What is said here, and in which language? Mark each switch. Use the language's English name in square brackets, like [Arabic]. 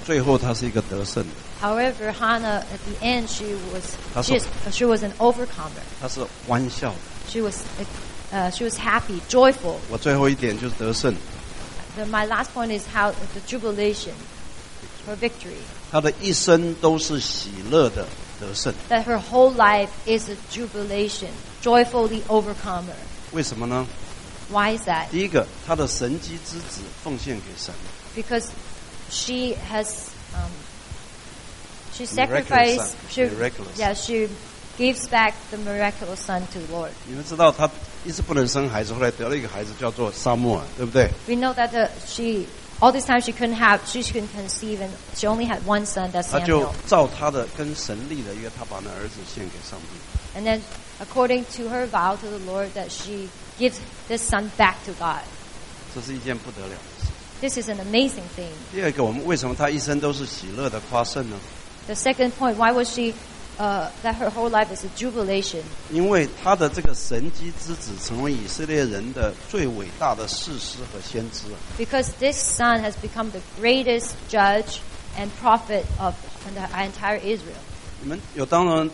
[Chinese] 最后她是一个得胜的。 [English] However, Hannah, at the end, she was an overcomer. [Chinese] 她是欢笑的。 [English] She was happy, joyful. My last point is how the jubilation, her victory. [Chinese] 她的一生都是喜乐的得胜。 [English] That her whole life is a jubilation, joyfully overcomer. [Chinese] 为什么呢？ [English] Why is that? [Chinese] 第一个, 她的神迹之子奉献给神。 [English] Because she has she sacrificed miraculous. Yeah, she gives back the miraculous son to the Lord. [Chinese] 你们知道她一直不能生孩子, 后来得了一个孩子叫做撒母耳, 对不对? [English] We know that she all this time she couldn't conceive and she only had one son, that's Samuel. [Chinese] 她就照她的跟神立的约, 她把那儿子献给上帝。 [English] And then according to her vow to the Lord that she gives this son back to God. [Chinese] 这是一件不得了的事。 [English] This is an amazing thing. [Chinese] 第二个，我们为什么她一生都是喜乐的夸胜呢？ [English] The second point, why was she that her whole life is a jubilation? [Chinese] 因为她的这个神迹之子成为以色列人的最伟大的士师和先知。 [English] Because this son has become the greatest judge and prophet of the entire Israel.